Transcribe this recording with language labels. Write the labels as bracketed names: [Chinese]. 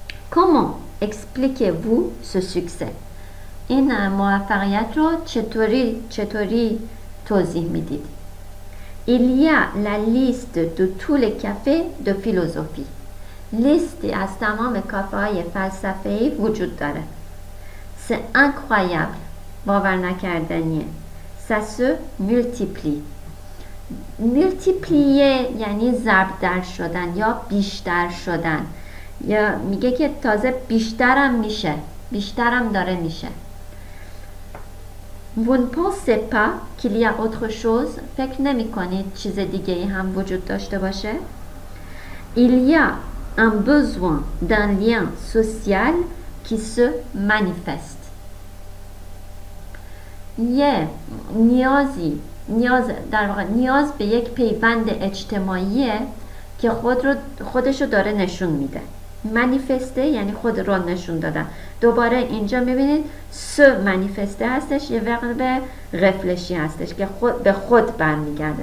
[French] Comment expliquez-vous ce succès? [Persian] این موفقیت رو چطوری توضیح میدید؟ [French] Il y a la liste de tous les cafés de philosophie. [Persian] لیستی از تمام کافه‌های فلسفه‌ای وجود داره. [French] C'est incroyable. [Persian] باور نکردنیه. [French] Ça se multiplie. [Persian] Multiplier یعنی ضرب در شدن یا بیشتر شدن. یا میگه که تازه بیشترم میشه. بیشترم داره میشه. [French] Vous ne pensez pas qu'il y a autre chose? [Persian] فکر نمی کنید چیز دیگه ای هم وجود داشته باشه؟ [French] Il y a un besoin d'un lien social qui se manifeste. [Persian] یه نیازی نیاز در واقع نیاز به یک پیوند اجتماعیه که خودشو داره نشون میده. منیفسته یعنی خود را نشون دادن. دوباره اینجا میبینید سه منیفسته هستش، یه وقت به رفلشی هستش که خود به خود برمیگرده.